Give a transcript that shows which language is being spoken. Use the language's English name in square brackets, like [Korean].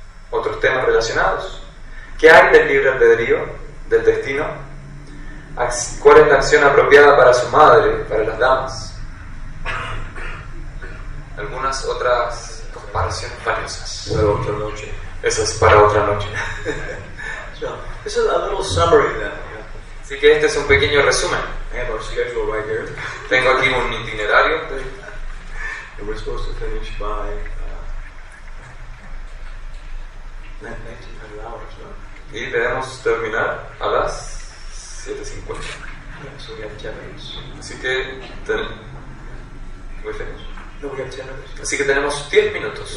[Spanish] Otros temas relacionados: ¿qué hay del libre albedrío, del destino? ¿Cuál es la acción apropiada para su madre, para las damas? Algunas otras comparaciones valiosas. Para otra noche. Eso es para otra noche. [English] So, this is a little summary then. [Spanish] Así que este es un pequeño resumen. [English] I have our schedule right here. [Spanish] Tengo aquí un itinerario. [English] And we're supposed to finish by 1900 hours, right? [Spanish] Y debemos terminar a las 7:50. [English] So we have 10 minutes. [Spanish] Así que [English] we're finished. No, we have 10 minutes. [Spanish] Así que tenemos 10 minutos.